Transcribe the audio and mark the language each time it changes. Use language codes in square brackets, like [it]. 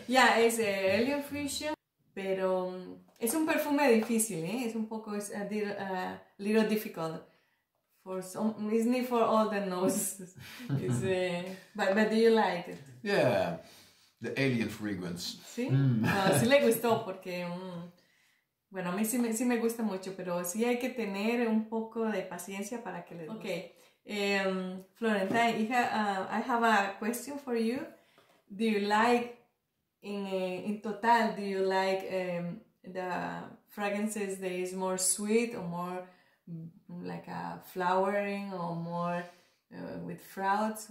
[es] Yeah, es Helio Fusion, pero es un perfume difícil, ¿eh? Es un poco, es [en] a little difficult. For some, it's not for all the noses. But do you like it? Yeah, the alien fragrance. [es] Sí? No, sí le gustó porque. Bueno, a mí sí me gusta mucho, pero sí hay que tener un poco de paciencia para que les guste. [en] Okay. Florentine, I have a question for you. Do you like, in total, do you like the fragrances that is more sweet or more like a flowering or more with fruits?